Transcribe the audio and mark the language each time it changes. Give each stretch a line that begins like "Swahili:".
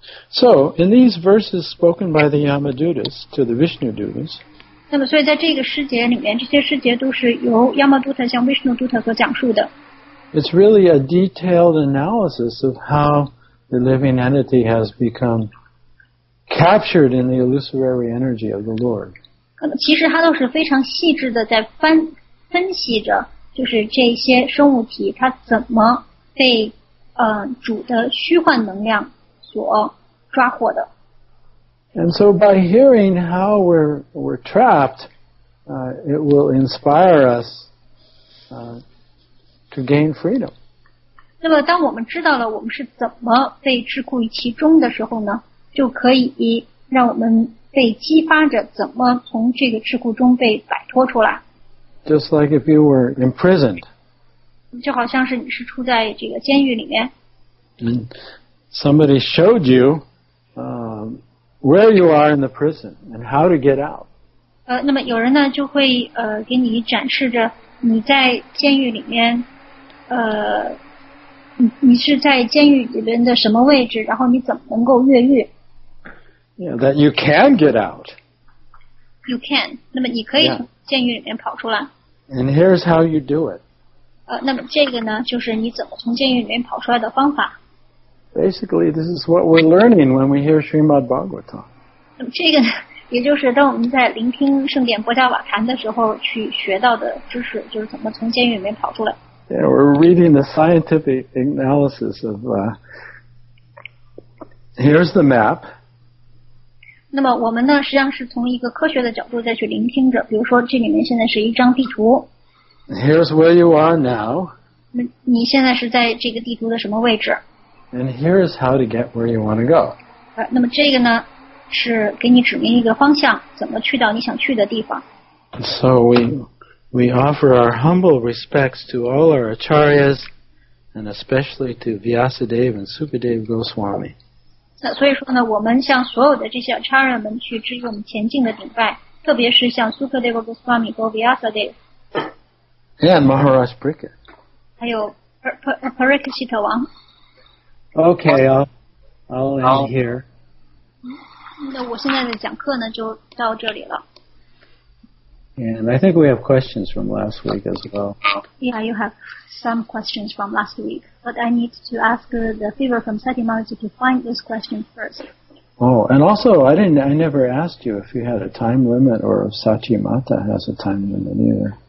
English: So in these verses spoken by the Yamadutas to the Vishnu Dutas.
Chinese: 那么所以在这个师节里面这些师节都是由 Yamaduta 向 Vishnuduta 所讲述的。
English: It's really a detailed analysis of how the living entity has become captured in the illusory energy of the Lord.
Chinese: 其实他都是非常细致的在分析着，就是这些生物体它怎么被主的虚幻能量所抓获的。
English: And so by hearing how we're trapped, it will inspire us to gain freedom.
Chinese: 那么当我们知道了我们是怎么被桎梏于其中的时候呢，就可以让我们被激发着怎么从这个桎梏中被摆脱出来。
English: Just like if you were imprisoned.
Chinese: 就好像是你是处在这个监狱里面。
English: Somebody showed you, where you are in the prison and how to get out.
Chinese: 那么有人呢就会给你展示着你在监狱里面你是在监狱里面的什么位置，然后你怎么能够越狱。
English: Yeah, that you can get out. You can.
Chinese: 那么你可以从监狱里面跑出来。
English: And here's how you do it.
Chinese: 那么这个呢就是你怎么从监狱里面跑出来的方法。
English: Basically, this is what we're learning when we hear Srimad Bhagavatam.
Chinese: 这个也就是当我们在聆听圣典薄伽瓦坛的时候去学到的知识，就是怎么从监狱里面跑出来。
English: Yeah, we're reading the scientific analysis of, here's the map.
Chinese: 那么我们呢实际上是从一个科学的角度再去聆听着，比如说这里面现在是一张地图。
English: Here's where you are now.
Chinese: 那你现在是在这个地图的什么位置？
English: And here is how to get where you want to go.
Chinese: 那么这个呢是给你指明一个方向，怎么去到你想去的地方。
English: So we offer our humble respects to all our acharyas and especially to Vyasadeva and Sukadeva Goswami.
Chinese: 那所以说呢，我们向所有的这些 acharya 们去致我们前进的顶拜，特别是向 Sukadeva Goswami 和 Vyasadeva.
English: And Maharaj Parikshit.
Chinese: 还有 Parikshita 王。
English: Okay, I'll end here.
Chinese: 那我现在的讲课呢就到这里了。
English: And I think we have questions from last week as well. Yeah, you have some questions from last week. But I need to ask the fever from Satyamaji to find this question first. Oh, and also, I never asked you if you had a time limit or if Satyamata has a time limit either.